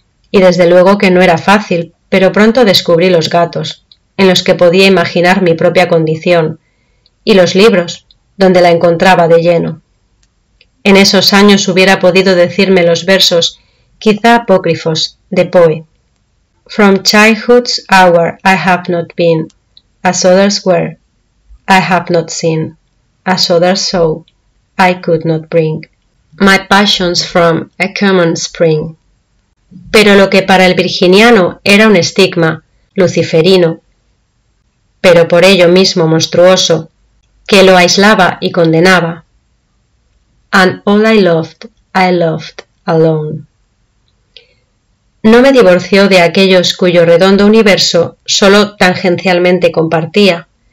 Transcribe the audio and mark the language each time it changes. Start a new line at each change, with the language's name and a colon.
Spanish: Y desde luego que no era fácil, pero pronto descubrí los gatos, en los que podía imaginar mi propia condición, y los libros, donde la encontraba de lleno. En esos años hubiera podido decirme los versos, quizá apócrifos, de Poe.
English: From childhood's hour I have not been, as others were, I have not seen, as others saw, I could not bring, my passions from a common spring.
Spanish: Pero lo que para el virginiano era un estigma, luciferino, pero por ello mismo monstruoso, que lo aislaba y condenaba.
English: And all I loved alone.
Spanish: No me divorció de aquellos cuyo redondo universo solo tangencialmente compartía.